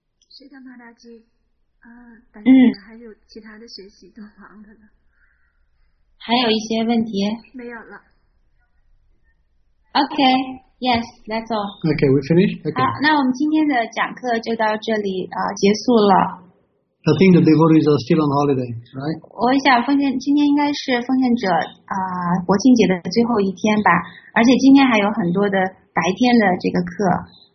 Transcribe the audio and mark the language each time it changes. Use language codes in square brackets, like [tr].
[zh] 是的，马大吉，但是还有其他的学习都忙的呢。还有一些问题？没有了。 [en] OK, yes, that's all. OK, we finished. OK, [zh] 好，那我们今天的讲课就到这里结束了。 [en] I think the devotees are still on holiday, right? [zh] 我想奉献今天应该是奉献者国庆节的最后一天吧，而且今天还有很多的白天的这个课。